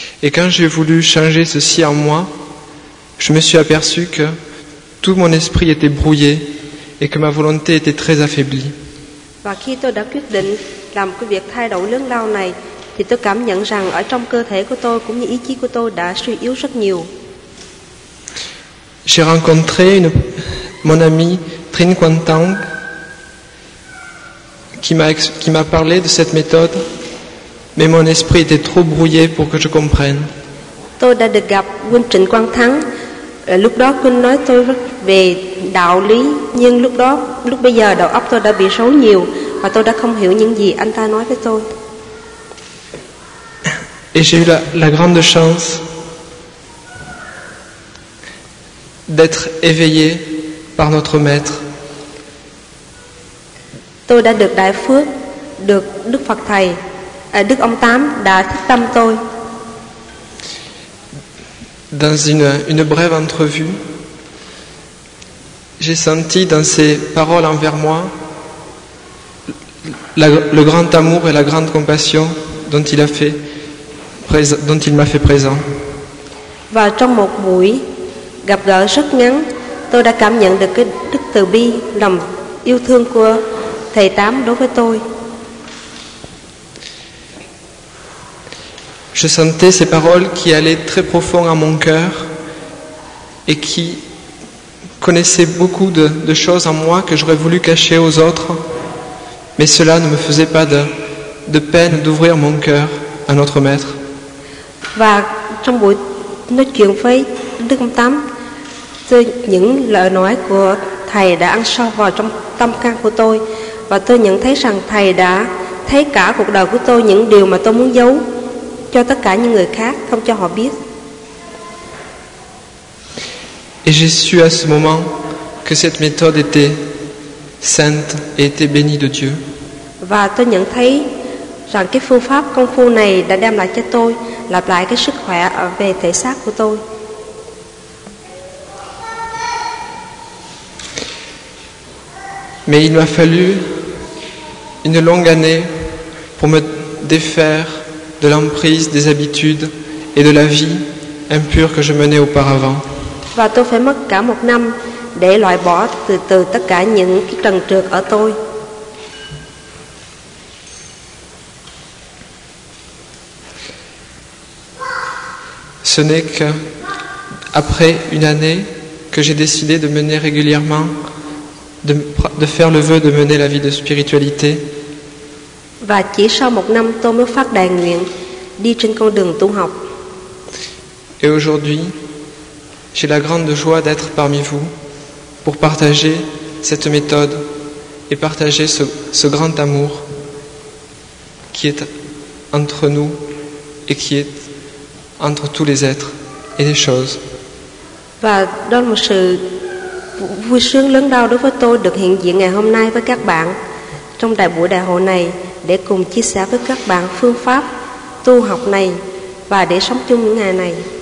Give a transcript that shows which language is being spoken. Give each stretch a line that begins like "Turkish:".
French: Et quand j'ai voulu changer ceci en moi, je me suis aperçu que tout mon esprit était brouillé et que ma volonté était très affaiblie.
Vietnamese: Và khi tôi đã quyết định làm cái việc thay đổi lớn lao này, thì tôi cảm nhận rằng ở trong cơ thể của tôi cũng như ý chí của tôi đã suy yếu rất nhiều.
French: J'ai rencontré une, mon ami Trinh Quan Thanh qui m'a parlé de cette méthode, mais mon esprit était trop brouillé pour que je comprenne.
Vietnamese: Tôi đã được gặp huynh Trịnh Quang Thắng. Lúc đó huynh nói tôi về đạo lý, nhưng lúc đó, lúc bây giờ đầu óc tôi đã bị rối nhiều và tôi đã không hiểu những gì anh ta nói với tôi.
French: Et j'ai eu la, la grande chance d'être éveillé par notre maître.
Vietnamese: Tôi đã được đại phước, được Đức Phật Thầy, Đức Ông Tám đã thức tâm tôi.
French: Dans une brève entrevue, j'ai senti dans ses paroles envers moi la, le grand amour et la grande compassion dont il a fait, dont il m'a fait présent.
Vietnamese: Và trong một buổi gặp gỡ rất ngắn, tôi đã cảm nhận được cái đức từ bi, lòng yêu thương của Thầy Tám đối với tôi.
French: Je sentais ces paroles qui allaient très profond à mon cœur et qui connaissaient beaucoup de choses en moi que j'aurais voulu cacher aux autres, mais cela ne me faisait pas de peine d'ouvrir mon cœur à notre maître.
Vietnamese: Và trong buổi nói chuyện với Đức Ông Tám, những lời nói của Thầy đã ăn sâu vào trong tâm can của tôi. Và tôi nhận thấy rằng Thầy đã thấy cả cuộc đời của tôi, những điều mà tôi muốn giấu cho tất cả những người khác, không cho họ biết.
French: Et j'ai su à ce moment que cette méthode était sainte et était bénie de Dieu.
Vietnamese: Và tôi nhận thấy rằng cái phương pháp công phu này đã đem lại cho tôi, lập lại cái sức khỏe về thể xác của tôi.
French: Mais il m'a fallu une longue année pour me défaire de l'emprise des habitudes et de la vie impure que je menais auparavant.
Vietnamese: Và tôi phải mất cả một năm để loại bỏ từ từ tất cả những cái trần trược ở tôi.
French: Ce n'est qu'après une année que j'ai décidé de mener régulièrement, de faire le vœu de mener la vie de spiritualité.
Vietnamese: Và chỉ sau một năm tôi mới phát đại nguyện đi trên con đường tu học.
French: Et aujourd'hui, j'ai la grande joie d'être parmi vous pour partager cette méthode et partager ce grand amour qui est entre nous et qui est entre tous les êtres et les choses.
Vietnamese: Và đó là một sự vui sướng lớn lao đối với tôi được hiện diện ngày hôm nay với các bạn trong đại buổi đại hội này để cùng chia sẻ với các bạn phương pháp tu học này và để sống chung những ngày này.